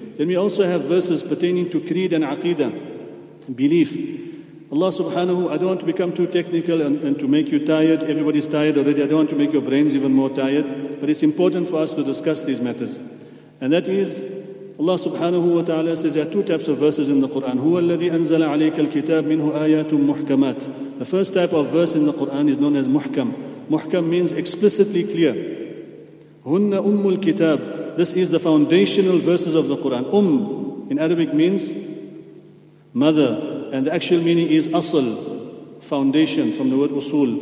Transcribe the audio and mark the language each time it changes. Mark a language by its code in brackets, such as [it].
[en] Then we also have verses pertaining to creed and aqidah, belief. Allah subhanahu, I don't want to become too technical and to make you tired. Everybody's tired already. I don't want to make your brains even more tired. But it's important for us to discuss these matters. And that is, Allah subhanahu wa ta'ala says there are two types of verses in the Quran. [ar] هو الذي أنزل عليك الكتاب منه آيات محكمات. [en] The first type of verse in the Quran is known as muhkam. Muhkam means explicitly clear. [ar] هن أم الكتاب. [en] This is the foundational verses of the Quran. In Arabic means mother. And the actual meaning is asl, foundation, from the word usul.